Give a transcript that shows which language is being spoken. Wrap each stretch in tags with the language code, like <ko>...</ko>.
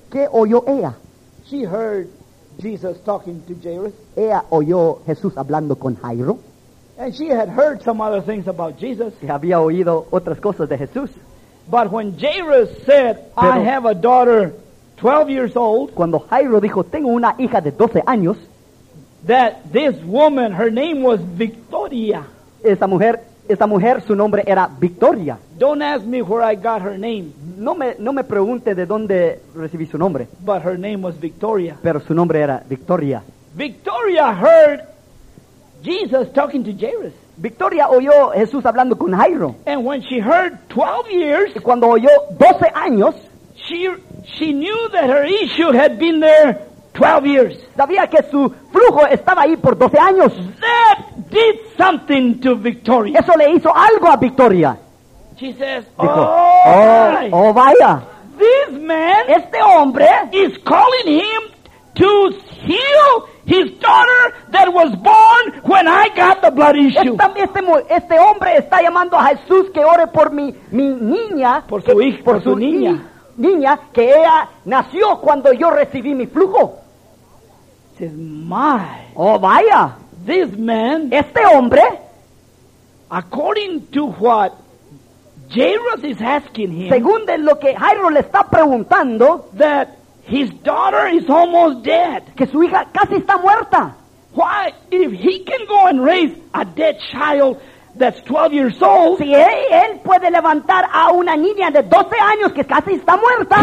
<es>¿Qué oyó ella?</es> <en>She heard Jesus talking to Jairus.</en> <es>Ella oyó Jesús hablando con Jairo.</es> <en>And she had heard some other things about Jesus.</en> <es>Y había oído otras cosas de Jesús.</es> <en>But when Jairus said, pero, I have a daughter 12 years old.</en> <es>Cuando Jairo dijo, tengo una hija de 12 años.</es> <en>That this woman, her name was Victoria.</en> <es>Esa mujer, su nombre era Victoria.</es> <en>Don't ask me where I got her name.</en> <es>No me pregunte de dónde recibí su nombre.</es> <en>But her name was Victoria.</en> <es>Pero su nombre era Victoria.</es> <en>Victoria heard Jesus talking to Jairus.</en> <es>Victoria oyó Jesús hablando con Jairo.</es> <en>And when she heard 12 years.</en> <es>Y cuando oyó 12 años.</es> <en>She knew that her issue had been there 12 years.</en> <es>Sabía que su flujo estaba ahí por 12 años.</es> <en>That did something to Victoria.</en> <es>Eso le hizo algo a Victoria.</es> <en>She says,</en> <es>Dijo, vaya.</es> <en>This man,</en> <es>este hombre,</es> <en>is calling him to heal his daughter that was born when I got the blood issue.</en> <es>Este hombre está llamando a Jesús que ore por mi niña, por su hija, por su niña. Niña que ella nació cuando yo recibí mi flujo.</es> <en>She says, my.</en> <es>Oh, vaya.</es> <en>This man,</en> <es>este hombre,</es> <en>according to what Jairus is asking him,</en> <es>según de lo que Jairo le está preguntando,</es> <en>that his daughter is almost dead,</en> <es>que su hija casi está muerta.</es> <en>Why, if he can go and raise a dead child, that's 12 years old,</en> <es>si él puede levantar a una niña de 12 años que casi está muerta,</es>